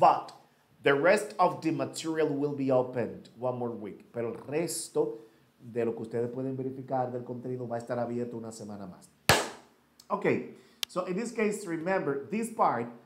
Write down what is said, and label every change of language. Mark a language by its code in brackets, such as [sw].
[en] But the rest of the material will be opened one more week. [es] Pero el resto de lo que ustedes pueden verificar del contenido va a estar abierto una semana más. [en] Okay, so in this case, remember this part.